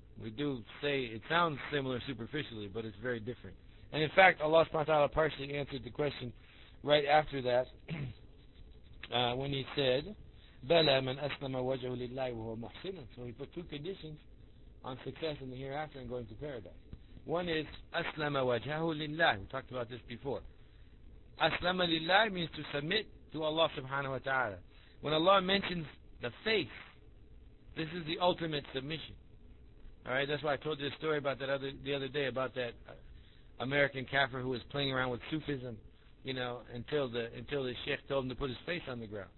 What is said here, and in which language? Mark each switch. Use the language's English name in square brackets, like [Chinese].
[English] We do say it sounds similar superficially, but it's very different. And in fact, Allah subhanahu wa ta'ala partially answered the question right after that when he said, [Arabic] بَلَى مَنْ أَسْلَمَ وَجْهُ لِلَّهِ وَهُوَ مُحْسِنٌ. [English] So he put two conditions on success in the hereafter and going to paradise. One is [Arabic] أَسْلَمَ وَجْهُ لِلَّهِ. [English] We talked about this before. [Arabic] أَسْلَمَ لِلَّهِ [English] means to submit to Allah subhanahu wa ta'ala. When Allah mentions the faith, this is the ultimate submission. Alright, that's why I told you a story about that the other day about that American kafir who was playing around with Sufism, until the sheikh told him to put his face on the ground.